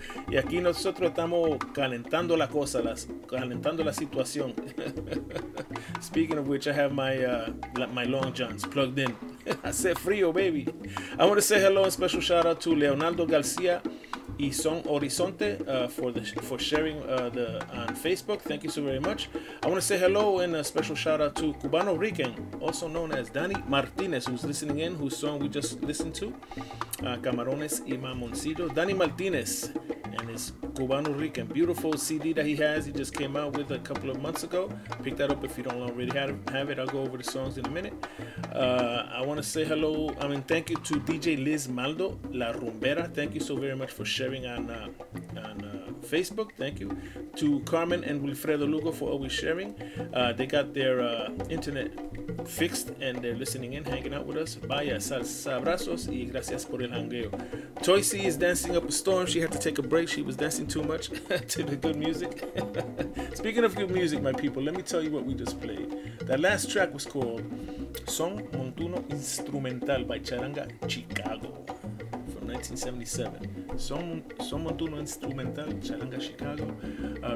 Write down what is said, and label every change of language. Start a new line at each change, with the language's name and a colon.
Spanish: Y aquí nosotros estamos calentando la cosa, calentando la situación.
English: Speaking of which, I have my long johns plugged in.
Spanish: Hace frío,
English: baby. I want to say hello and special shout out to Leonardo Garcia y Son Horizonte for sharing the on Facebook. Thank you so very much. I want to say hello and a special shout out to Cubano Rican, also known as Danny Martinez, who's listening in, whose song we just listened to, Camarones y Mamoncillo. Danny Martinez and his Cubano Rican, beautiful CD that he has. He just came out with a couple of months ago. Pick that up if you don't already have it. I'll go over the songs in a minute. Thank you to DJ Liz Maldo, La Rumbera. Thank you so very much for sharing on Facebook. Thank you to Carmen and Wilfredo Lugo for always sharing. They got their internet fixed and they're listening in, hanging out with us.
Spanish: Vaya salsa, abrazos y gracias por el hangueo.
English: Toysi is dancing up a storm. She had to take a break. She was dancing too much to the good music. Speaking of good music, my people, let me tell you what we just played. That last track was called Son Montuno Instrumental by Charanga Chicago. 1977. Son Montuno Instrumental, Charanga Chicago.